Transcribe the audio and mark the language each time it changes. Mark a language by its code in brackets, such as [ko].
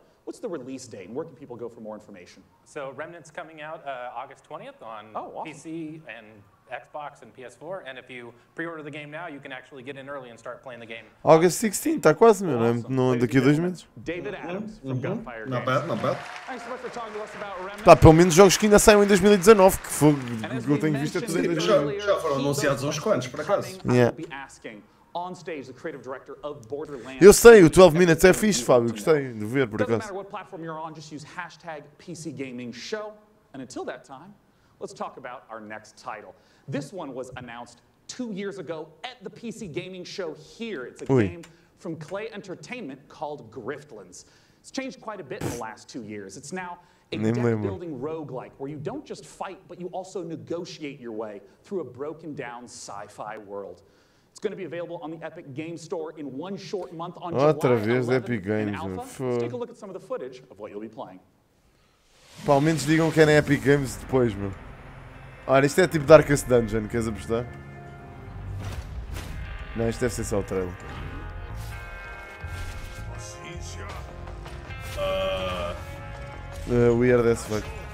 [en] What's the release date, and where can people go for more information? So Remnant's coming out August 20th on PC and Xbox and PS4, and if you pre-order the game now, you can actually get in early and start playing the game. [pt] August 16th, está quase, meu. Awesome. Daqui a 2 meses. [en] David Adams from Gunfire Games. Not bad. Thanks so much for talking to us about Remnant. [pt] Tá, pelo menos jogos que ainda saem em 2019, que foi o que eu tenho visto tudo em 2019. Já foram anunciados uns quantos, por acaso. [en] On stage, the creative director of Borderlands. [pt] Eu sei, o 12 Minutes é fixe, Fábio, gostei de ver, por acaso. [en] Doesn't matter what platform you're on, just use hashtag PCGamingShow. And until that time, let's talk about our next title. This one was announced 2 years ago at the PC Gaming Show here. It's a game from Clay Entertainment called Griftlands. It's changed quite a bit in the last 2 years. It's now a deck-building roguelike, where you don't just fight, but you also negotiate your way through a broken-down sci-fi world. It's going to be available on the Epic Game Store in one short month on July 11th. Epic Games, in alpha. Let's take a look at some of the footage of what you'll be playing. [pt] Pá, ao menos digam que é na Epic Games depois, meu. Olha, isto é tipo Darkest Dungeon, queres apostar? Não, isto deve ser só o trailer. [en] Weird as fuck.